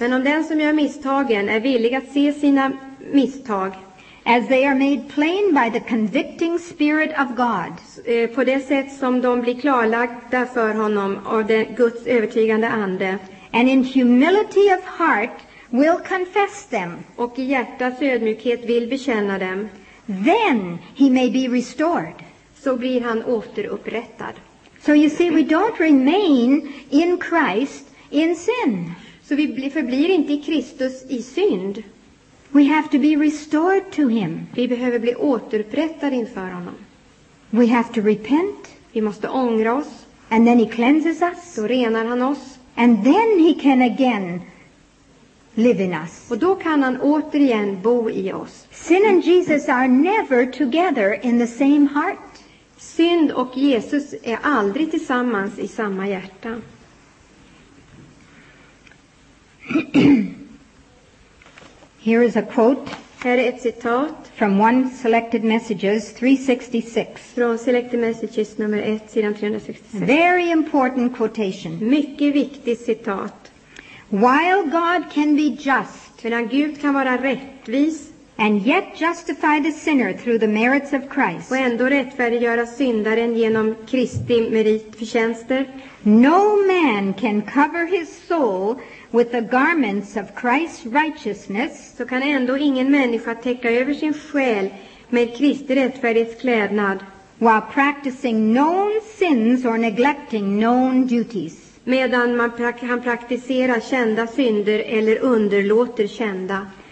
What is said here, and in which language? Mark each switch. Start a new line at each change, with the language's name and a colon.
Swedish: men om den som gör misstagen är villig att se sina misstag,
English: as they are made plain by the convicting spirit of God,
Swedish: på det sätt som de blir klarlagda för honom av den Guds övertygande ande,
English: and in humility of heart will confess them,
Swedish: och i hjärtats ödmjukhet vill bekänna dem,
English: then he may be restored,
Swedish: så blir han återupprättad.
English: So you see, we don't remain in Christ in sin.
Swedish: Så vi förblir inte i Kristus i synd.
English: We have to be restored to him.
Swedish: Vi behöver bli återupprättade inför honom.
English: We have to repent.
Swedish: Vi måste ångra oss.
English: And then he cleanses us.
Swedish: Då renar han oss.
English: And then he can again live in us.
Swedish: Och då kan han återigen bo i oss.
English: Sin and Jesus are never together in the same heart.
Swedish: Synd och Jesus är aldrig tillsammans i samma hjärta.
English: Here is a quote.
Swedish: Här är ett citat.
English: From One Selected Messages 366.
Swedish: Från Selected Messages nummer 1, sidan 366.
English: Very important quotation.
Swedish: Mycket viktigt citat.
English: While God can be just.
Swedish: Medan Gud kan vara rättvis.
English: And yet justify the sinner through the merits of Christ.
Swedish: Och ändå rättfärdiggöra syndaren genom Kristi meritförtjänster.
English: No man can cover his soul with the garments of Christ's righteousness.
Swedish: Så kan ändå ingen människa täcka över sin själ med Kristi rättfärdighetsklädnad.
English: While practicing known sins or neglecting known duties.
Swedish: Medan man kan praktisera kända synder eller underlåter kända.